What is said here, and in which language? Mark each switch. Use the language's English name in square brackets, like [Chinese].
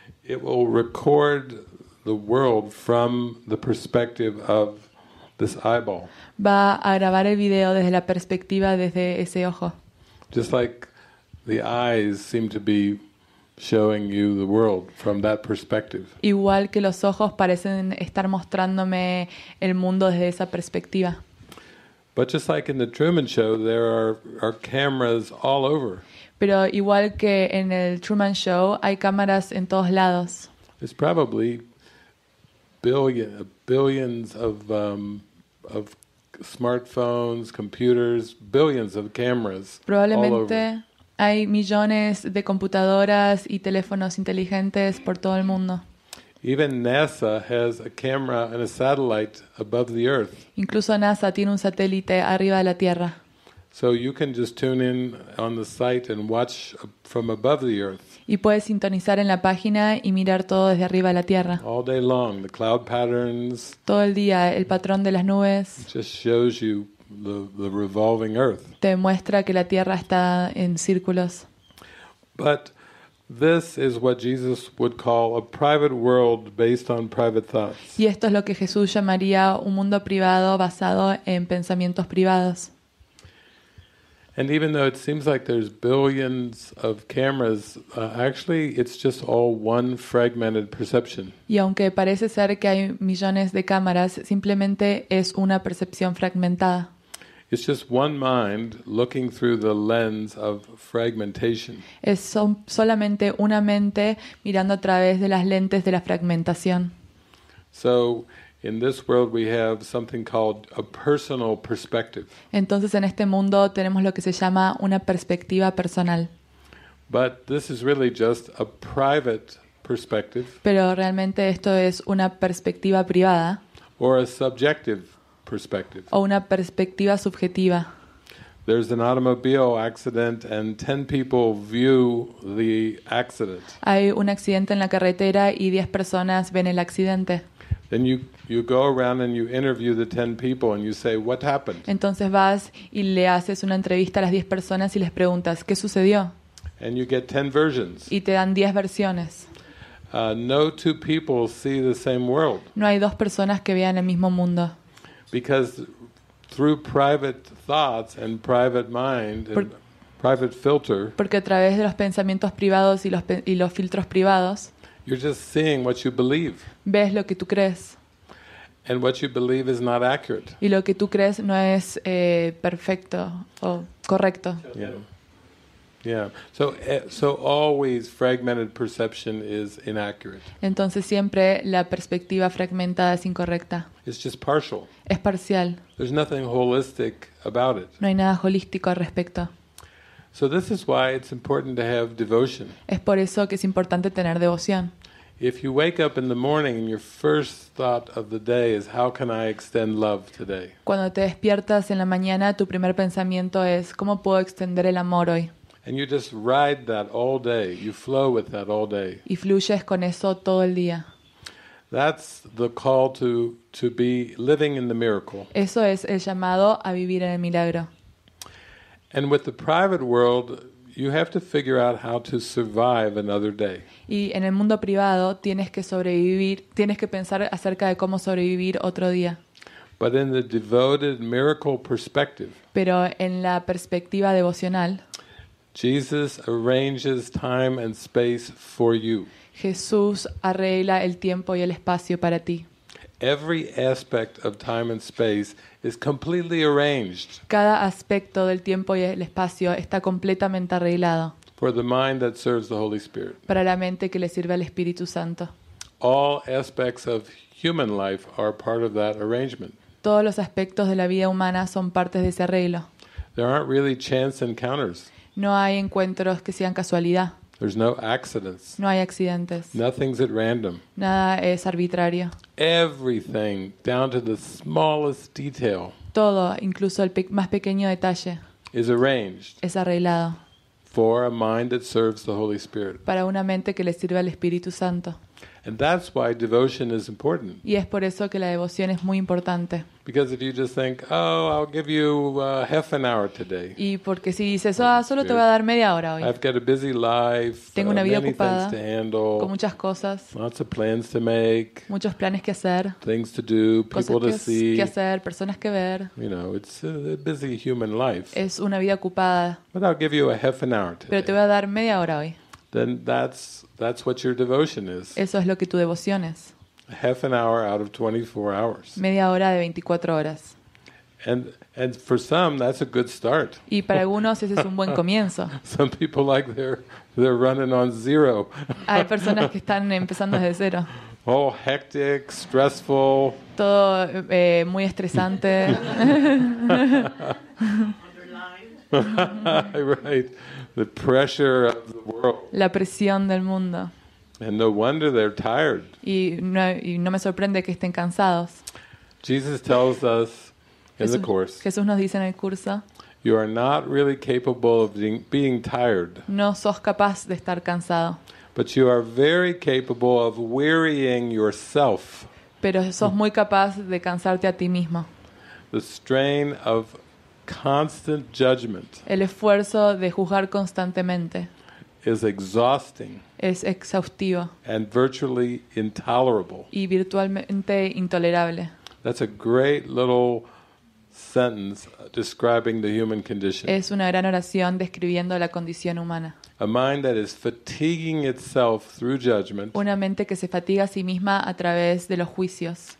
[English] It will record the world from the perspective of this eyeball. [Spanish] Va a grabar el video desde la perspectiva desde ese ojo. [English] Just like the eyes seem to be showing you the world from that perspective. [Spanish] Igual que los ojos parecen estar mostrándome el mundo desde esa perspectiva. [English] But just like in the Truman Show, there are cameras all over. [Spanish] Pero igual que en el Truman Show, hay cámaras en todos lados. [English] It's probably billions of smartphones, computers, billions of cameras. [Spanish] Probablemente hay millones de computadoras y teléfonos inteligentes por todo el mundo. [English] Even NASA has a camera and a satellite above the Earth. [Spanish] Incluso NASA tiene un satélite arriba de la Tierra. [English] So you can just tune in on the site and watch from above the Earth. [Spanish] Y puedes sintonizar en la página y mirar todo desde arriba de la Tierra. [English] All day long, the cloud patterns. [Spanish] Todo el día el patrón de las nubes. [English] Just shows you the revolving Earth. [Spanish] Te muestra que la Tierra está en círculos. [English] But this is what Jesus would call a private world based on private thoughts. [Spanish] Y esto es lo que Jesús llamaría un mundo privado basado en pensamientos privados. [English] And even though it seems like there's billions of cameras, actually it's just all one fragmented perception. [Spanish] Y aunque parece ser que hay millones de cámaras, simplemente es una percepción fragmentada. [English] It's just one mind looking through the lens of fragmentation. [Spanish] Es solamente una mente mirando a través de las lentes de la fragmentación. [English] So in this world we have something called a personal perspective. [Spanish] Entonces en este mundo tenemos lo que se llama una perspectiva personal. [English] But this is really just a private perspective. [Spanish] Pero realmente esto es una perspectiva privada. [English] Or a subjective perspective. [Spanish] O una perspectiva subjetiva. [English] There's an automobile accident and 10 people view the accident. [Spanish] Hay un accidente en la carretera y 10 personas ven el accidente. [English] Then you go around and you interview the 10 people and you say, what happened? [Spanish] Entonces vas y le haces una entrevista a las 10 personas y les preguntas, ¿qué sucedió? [English] And you get 10 versions. [Spanish] Y te dan 10 versiones. [English] No two people see the same world. [Spanish] No hay dos personas que vean el mismo mundo. [English] Because through private thoughts and private mind and private filter. [Spanish] Porque a través de los pensamientos privados y los filtros privados. [English] You're just seeing what you believe. [Spanish] Ves lo que tú crees. [English] And what you believe is not accurate. [Spanish] Y lo que tú crees no es perfecto o correcto. [English] Yeah. So always fragmented perception is inaccurate. [Spanish] Entonces siempre la perspectiva fragmentada es incorrecta. [English] It's just partial. [Spanish] Es parcial. [English] There's nothing holistic about it. [Spanish] No hay nada holístico al respecto. [English] So this is why it's important to have devotion. [Spanish] Es por eso que es importante tener devoción. [English] If you wake up in the morning and your first thought of the day is how can I extend love today? [Spanish] Cuando te despiertas en la mañana, tu primer pensamiento es ¿cómo puedo extender el amor hoy? [English] And you just ride that all day. You flow with that all day. [Spanish] Y fluyes con eso todo el día. [English] That's the call to be living in the miracle. [Spanish] Eso es el llamado a vivir en el milagro. [English] And with the private world, you have to figure out how to survive another day. [Spanish] Y en el mundo privado tienes que sobrevivir, tienes que pensar acerca de cómo sobrevivir otro día. [English] But in the devoted miracle perspective. [Spanish] Pero en la perspectiva devocional. [English] Jesus arranges time and space for you. [Spanish] Jesús arregla el tiempo y el espacio para ti. [English] Every aspect of time and space is completely arranged. [Spanish] Cada aspecto del tiempo y el espacio está completamente arreglado. [English] For the mind that serves the Holy Spirit. [Spanish] Para la mente que le sirve al Espíritu Santo. [English] All aspects of human life are part of that arrangement. [Spanish] Todos los aspectos de la vida humana son partes de ese arreglo. [English] There aren't really chance encounters. [Spanish] No hay encuentros que sean casualidad. [English] There's no accidents. [Spanish] No hay accidentes. [English] Nothing's at random. [Spanish] Nada es arbitrario. [English] Everything down to the smallest detail. [Spanish] Todo, incluso el más pequeño detalle. [English] Is arranged. [Spanish] Es arreglado. [English] For a mind that serves the Holy Spirit. [Spanish] Para una mente que le sirve al Espíritu Santo. [English] And that's why devotion is important. [Spanish] Y es por eso que la devoción es muy importante. [English] Because if you just think, oh, I'll give you half an hour today. [Spanish] Y porque si dices, oh, solo te voy a dar media hora hoy. [English] I've got a busy life. [Spanish] Tengo una vida ocupada. [English] Many things to handle. [Spanish] Con muchas cosas. [English] Lots of plans to make. [Spanish] Muchos planes que hacer. [English] Things to do. People to see. [Spanish] Que hacer. Personas que ver. [English] You know, it's a busy human life. [Spanish] Es una vida ocupada. [English] But I'll give you a half an hour today. [Spanish] Pero te voy a dar media hora hoy. [English] Then that's what your devotion is. [Spanish] Eso es lo que tu devoción es. [English] Half an hour out of 24 hours. [Spanish] Media hora de 24 horas. [English] And for some that's a good start. [Spanish] Y para algunos ese es un buen comienzo. [English] Some people like they're running on zero. [Spanish] Hay personas que están empezando desde cero. [English] Oh, hectic, stressful. [Spanish] Todo muy estresante. [English] Right. The pressure of the world. [Spanish] La presión del mundo. [English] And no wonder they're tired. [Spanish] Y no me sorprende que estén cansados. [English] Jesus tells us in the course. [Spanish] Jesús nos dice en el curso. [English] You are not really capable of being tired. [Spanish] No sos capaz de estar cansado. [English] But you are very capable of wearying yourself. [Spanish] Pero sos muy capaz de cansarte a ti mismo. [English] The strain of constant judgment. [Spanish] El esfuerzo de juzgar constantemente. [English] Is exhausting. [Spanish] Es exhaustivo. [English] And virtually intolerable. [Spanish] Y virtualmente intolerable. [English] That's a great little sentence describing the human condition. [Spanish] Es una gran oración describiendo la condición humana. [English] A mind that is fatiguing itself through judgment. [Spanish] Una mente que se fatiga a sí misma a través de los juicios.